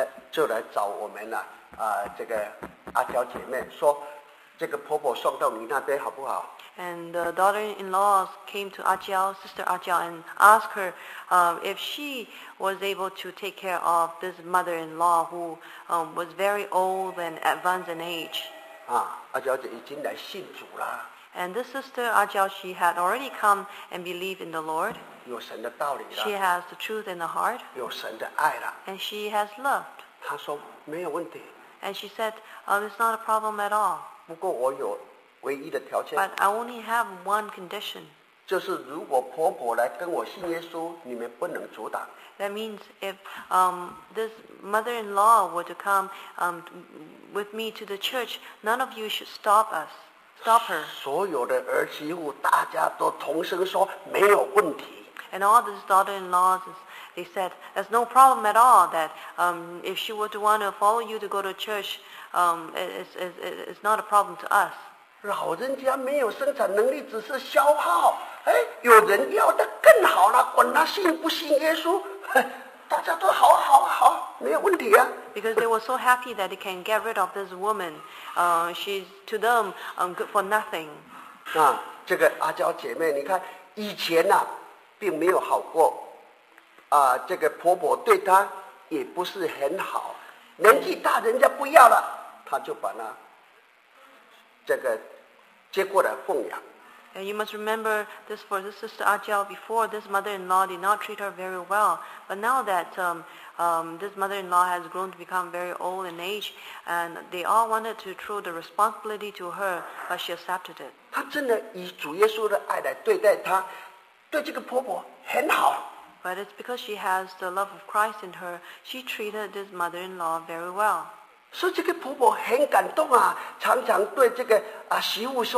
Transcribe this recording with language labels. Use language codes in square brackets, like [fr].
[zh] 就来找我们了，这个阿娇姐妹说，这个婆婆送到你那边好不好？ [en] And the daughter-in-laws came to 阿娇, Sister 阿娇, and asked her if she was able to take care of this mother-in-law who was very old and advanced in age. [zh] 啊，阿娇姐已经来信主了。 [en] And this sister 阿娇, she had already come and believed in the Lord. [zh] 有神的道理了。 [en] She has the truth in the heart. [zh] 有神的爱了。 [en] And she has loved. [zh] 她说没有问题。 [en] And she said, it's not a problem at all. [zh] 不过我有。唯一的条件。 [en] But I only have one condition. [zh] 就是如果婆婆来跟我信耶稣，你们不能阻挡。 [en] That means if this mother-in-law were to come with me to the church, none of you should stop us, stop her. [zh] 所有的儿媳妇大家都同声说没有问题。 [en] And all these daughter-in-laws, they said, there's no problem at all that if she were to want to follow you to go to church, it's not a problem to us. [zh] 老人家没有生产能力，只是消耗。哎，有人要的更好了，管他信不信耶稣，大家都好好好，没有问题啊。 [en] Because they were so happy that they can get rid of this woman, she's to them good for nothing. [zh] 啊，这个阿娇姐妹，你看以前呐、啊，并没有好过，啊，这个婆婆对她也不是很好，年纪大，人家不要了，她就把她。这个接过来奉养。 [en] And you must remember this for this sister Ajiao before, this mother-in-law did not treat her very well. But now that this mother-in-law has grown to become very old in age, and they all wanted to throw the responsibility to her, but she accepted it. [zh] 她真的以主耶稣的爱来对待她，对这个婆婆很好。 [en] But it's because she has the love of Christ in her, she treated this mother-in-law very well. [zh] 所以这个婆婆很感动啊，常常对这个媳妇说